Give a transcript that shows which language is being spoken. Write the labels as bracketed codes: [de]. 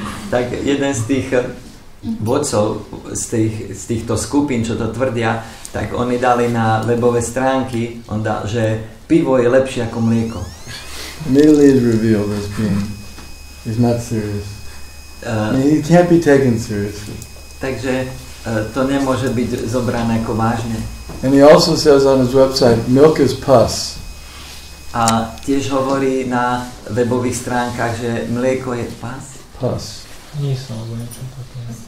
[sk] Tak jeden z tých vodcov z týchto skupín, čo to tvrdia, tak oni dali na webové stránky, on dal, že pivo je lepšie ako mlieko. [en] Immediately is revealed as being is not serious. He can't be taken seriously. [sk] Takže to nemôže byť zobrané ako vážne. [en] And he also says on his website, milk is pus. [sk] A tiež hovorí na webových stránkach, že mlieko je pus. [en] Pus. [sk] Nie som, alebo niečo také.